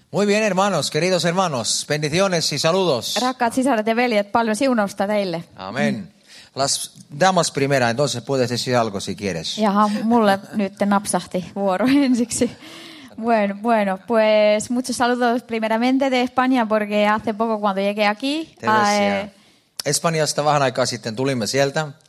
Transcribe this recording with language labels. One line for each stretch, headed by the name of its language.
Spanish: Muy bien, hermanos, queridos hermanos, bendiciones y saludos.
Finnish: Rakkaat sisaret ja veljet, paljon siunosta teille.
Spanish: Amén. Las damas primera, entonces puedes decir algo si quieres.
Finnish: Jaha, mulle nyt napsahti vuoro ensiksi.
Spanish: Bueno, bueno, pues muchos saludos primeramente de España porque hace poco cuando llegué aquí.
Finnish: Espanjasta vähän aikaa sitten tulimme sieltä.